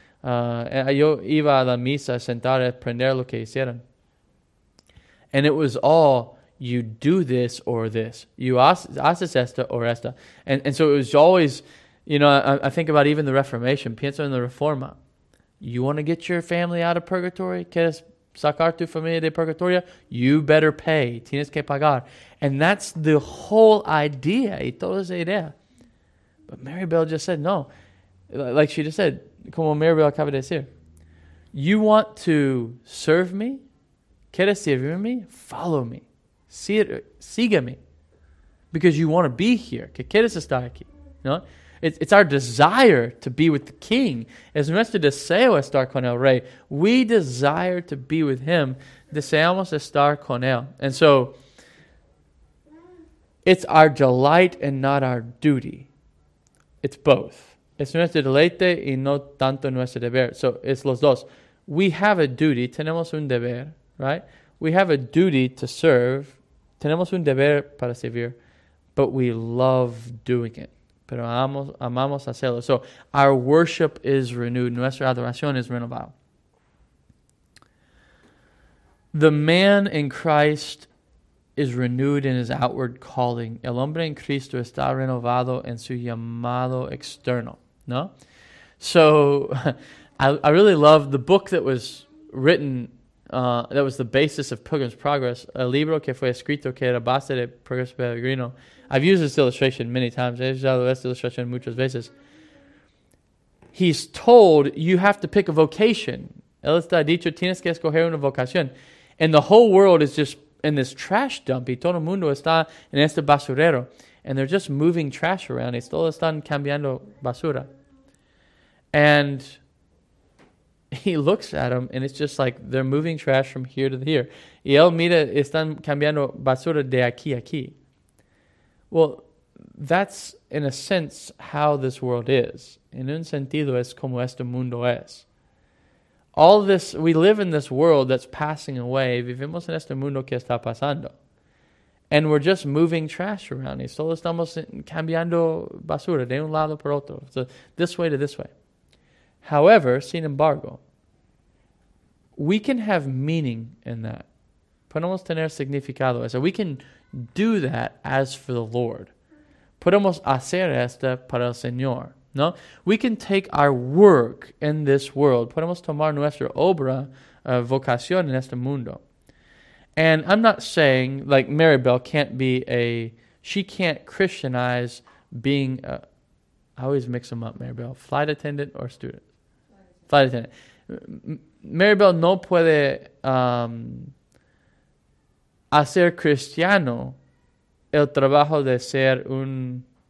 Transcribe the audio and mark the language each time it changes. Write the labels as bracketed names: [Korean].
[Spanish] Yo iba a la misa a sentar a aprender lo que hicieron. [English] And it was all, you do this or this. You [Spanish] haces esto [English] or [Spanish] esta. [English] And so it was always, you know, I think about even the Reformation. [Spanish] Pienso en la Reforma. [English] You want to get your family out of purgatory? [Spanish] ¿Quieres sacar tu familia de purgatoria? [English] You better pay. [Spanish] Tienes que pagar. [English] And that's the whole idea. [Spanish] Y toda esa idea. [English] But Maribel just said, no. Like she just said, [Spanish] como Maribel acaba de decir. [English] You want to serve me? [Spanish] ¿Quieres servirme? [English] Follow me. [Spanish] Sígueme. [English] Because you want to be here. [Spanish] ¿Que quieres estar aquí? ¿No? [English] It's our desire to be with the King. [Spanish] Es nuestro deseo estar con el Rey. [English] We desire to be with Him. [Spanish] Deseamos estar con Él. [English] And so, it's our delight and not our duty. It's both. [Spanish] Es nuestro deleite y no tanto nuestro deber. [English] So, [Spanish] es los dos. [English] We have a duty. [Spanish] Tenemos un deber, [English] right? We have a duty to serve. [Spanish] Tenemos un deber para servir. [English] But we love doing it. [Spanish] Pero amamos hacerlo. [English] So, our worship is renewed. [Spanish] Nuestra adoración es renovada. [English] The man in Christ is renewed in his outward calling. [Spanish] El hombre en Cristo está renovado en su llamado externo. ¿No? [English] So, I really love the book that was written, that was the basis of Pilgrim's Progress, [Spanish] el libro que fue escrito que era base de Progreso Peregrino. [English] I've used this illustration many times. [Spanish] He's usado esta ilustración muchas veces. [English] He's told you have to pick a vocation. [Spanish] Él está dicho, tienes que escoger una vocación. [English] And the whole world is just in this trash dump. [Spanish] Y todo el mundo está en este basurero. [English] And they're just moving trash around. [Spanish] Y todos están cambiando basura. [English] And he looks at them, and it's just like they're moving trash from here to here. [Spanish] Y él mira, están cambiando basura de aquí a aquí. [English] Well, that's, in a sense, how this world is. [Spanish] En un sentido, es como este mundo es. [English] All this, we live in this world that's passing away. [Spanish] Vivimos en este mundo que está pasando. [English] And we're just moving trash around. [Spanish] Y solo estamos cambiando basura de un lado por otro. [English] So this way to this way. However, [Spanish] sin embargo, [English] we can have meaning in that. [Spanish] Podemos tener significado. [English] So we can do that as for the Lord. [Spanish] Podemos hacer esto para el Señor. No? [English] We can take our work in this world. [Spanish] Podemos tomar nuestra obra, vocación en este mundo. [English] And I'm not saying, like, Maribel can't be a, she can't Christianize being a, I always mix them up, Maribel, flight attendant or student? Flight attendant. [Spanish] Maribel no puede hacer cristiano el trabajo de ser un